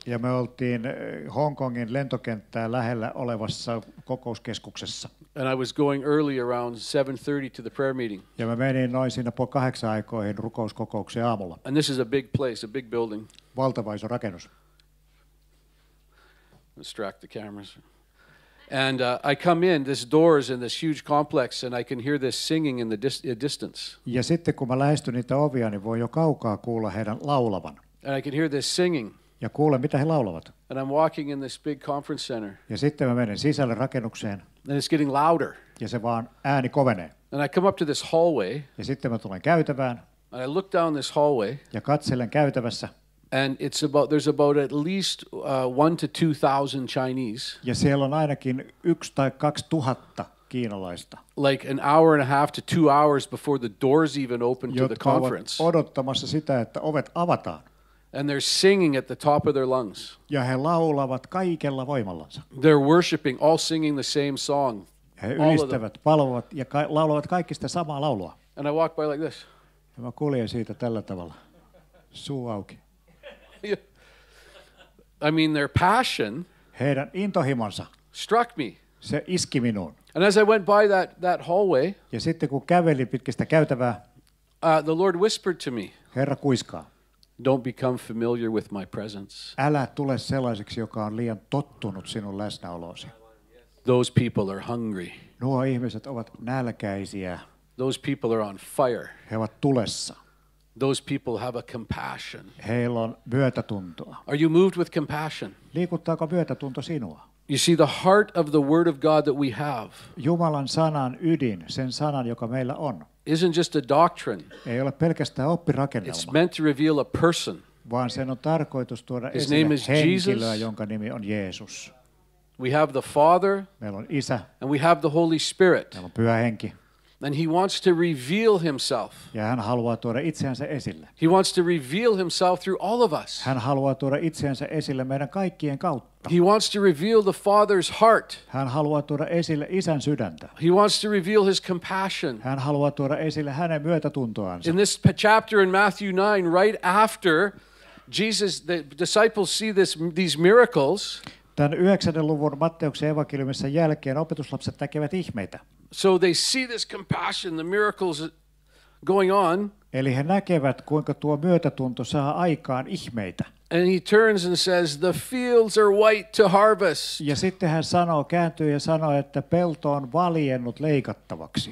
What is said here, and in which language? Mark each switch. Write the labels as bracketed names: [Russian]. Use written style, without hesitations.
[Finnish] Ja me oltiin Hong Kongin lentokenttää lähellä olevassa kokouskeskuksessa. [English] And I was going early around 7:30 to the prayer meeting. [Finnish] Ja mä menin noin siinä puoli kahdeksan aikoihin rukouskokoukseen aamulla. [English] And this is a big place, a big building. [Finnish] Valtava iso rakennus. [English] Distract the cameras. And I come in, this door is in this huge complex, and I can hear this singing in the distance. [Finnish] Ja sitten kun mä lähestyn niitä ovia, niin voi jo kaukaa kuulla heidän laulavan. [English] And I can hear this singing. [Finnish] Ja kuulen, mitä he laulavat. [English] And I'm walking in this big conference center. [Finnish] Ja sitten mä menen sisälle rakennukseen. [English] And it's getting louder. [Finnish] Ja se vaan ääni kovenee. [English] And I come up to this hallway. [Finnish] Ja sitten mä tulen käytävään. [English] And I look down this hallway. [Finnish] Ja katselen käytävässä. [English] And it's about there's about at least 1,000 to 2,000 Chinese. [Finnish] Ja siellä on ainakin 1,000 to 2,000 kiinalaista. [English] Like an hour and a half to 2 hours before the doors even open to the conference. [Finnish] Odottamassa sitä, että ovet avataan. [English] And they're singing at the top of their lungs. [Finnish] Ja he laulavat kaikella voimallansa. [English] They're worshiping, all singing the same song. [Finnish] He ylistävät, palvovat ja laulavat kaikki sitä samaa laulua. [English] And I walk by like this. [Finnish] Ja mä kuljen siitä tällä tavalla. Suu auki. [English] I mean, their passion. [Finnish] Heidän intohimonsa. [English] Struck me. [Finnish] Se iski minuun. [English] And as I went by that hallway. [Finnish] Ja sitten kun kävelin pitkistä käytävää. [English] The Lord whispered to me. [Finnish] Herra kuiskaa. [English] Don't become familiar with my presence. [Finnish] Älä tule sellaiseksi, joka on liian tottunut sinun läsnäolosi. [English] Those people are hungry. [Finnish] Nuo ihmiset ovat nälkäisiä. [English] Those people are on fire. [Finnish] He ovat tulessa. [English] Those people have a compassion. [Finnish] Heillä on myötätuntoa. [English] Are you moved with compassion? [Finnish] Liikuttaako myötätunto sinua? [English] You see the heart of the word of God that we have. [Finnish] Jumalan sanan ydin, sen sanan, joka meillä on. [English] Isn't just a doctrine. [Finnish] Ei ole pelkästään oppirakennelma. [English] It's meant to reveal a person. [Finnish] Vaan sen on tarkoitus tuoda esille henkilöä, jonka nimi on Jeesus. [English] We have the Father. [Finnish] Meillä on Isä. [English] And we have the Holy Spirit. [Finnish] Meillä on Pyhä Henki. [English] And he wants to reveal himself. [Finnish] Ja hän haluaa tuoda itseänsä esille. [English] He wants to reveal himself through all of us. [Finnish] Hän haluaa tuoda itseänsä esille meidän kaikkien kautta. [English] He wants to reveal the Father's heart. [Finnish] Hän haluaa tuoda esille Isän sydäntä. [English] He wants to reveal his compassion. [Finnish] Hän haluaa tuoda esille hänen myötätuntoansa. [English] In this chapter in Matthew 9, right after Jesus, the disciples see these miracles. [Finnish] Tämän 9. luvun Matteuksen evankeliumissa jälkeen opetuslapset näkevät ihmeitä. [English] So they see this compassion, the miracles going on. [Finnish] Eli he näkevät, kuinka tuo myötätunto saa aikaan ihmeitä. [English] And he turns and says, the fields are white to harvest. [Finnish] Ja sitten hän sanoo, kääntyy ja sanoo, että pelto on valjennut leikattavaksi.